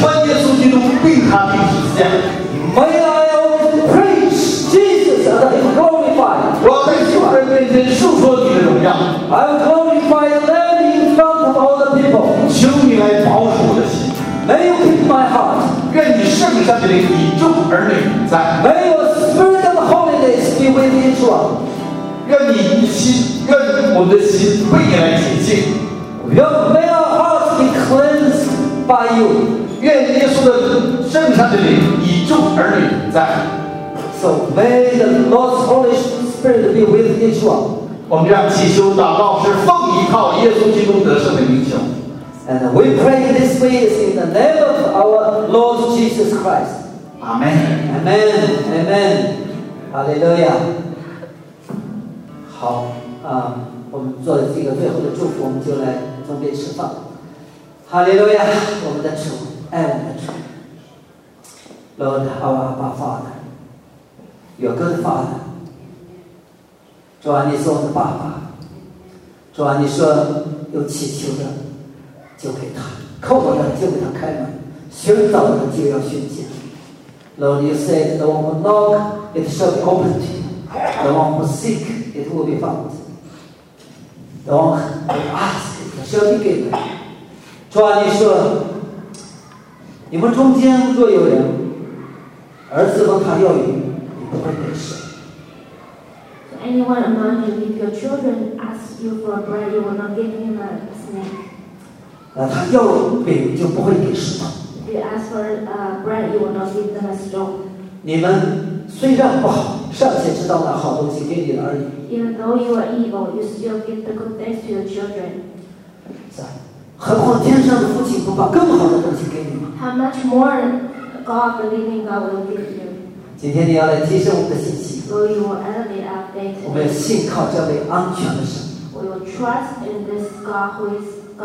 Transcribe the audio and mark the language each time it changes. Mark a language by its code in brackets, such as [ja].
[en] May I often preach Jesus and be glorified？ [zh] 我要在众人面前述说你的荣耀。 [en] I'll glorify them in front of all the people。 [zh] 求你来保守我的心。 [en] May you keep my heart。 [zh] 愿你圣善的灵以众儿女在。 [en] May your spirit and holiness be with Israel。 [zh] 愿你的心，愿我们的心为你来洁净。 [en] May our hearts be cleansed by you。 [zh] 愿耶稣的圣善的灵以众儿女在。 [en] So may the Lord's Holy Spirit be with Israel。 [zh] 我们这样祈求祷告是奉依靠耶稣基督得胜的名求。 [en] And we pray this prayer in the name of our Lord Jesus Christ. Amen. Amen. Amen. Hallelujah. [zh] 好，我们做了这个最后的祝福，我们就来分别吃饭。 [en] Hallelujah. [zh] 我们的主，爱我们的主。 [en] Lord, our Abba Father, your good Father. [zh] 主啊，你是我们的爸爸。主啊，你说有祈求的。就给他叩门的就给他开门，寻找的就要寻见。 [en] Lord, you said that when we knock, it shall be opened to you. The one who seek, it will be found. The one who ask, it shall be given. [zh] 主啊，你说，你们中间若有人，儿子问他要鱼，你不会给谁。 [en] So anyone among you, if your children ask you for bread, you will not give him a snake. [zh] 那他要饼就不会给什么。 [en] You ask for bread, you will not give them a stone. [zh] 你们虽然不好，尚且知道拿好东西给你的儿女。 [en] Even though you are evil, you still give the good things to your children. [zh] 是啊，何况天上的父亲不把更好的东西给你吗 [en] ？How much more God, the living God, will give you? [zh] 今天你要来提升我们的信心。 [en] So you will elevate our faith. [zh] 我们要信靠这位安全的神。 [en] We will trust in this God who is.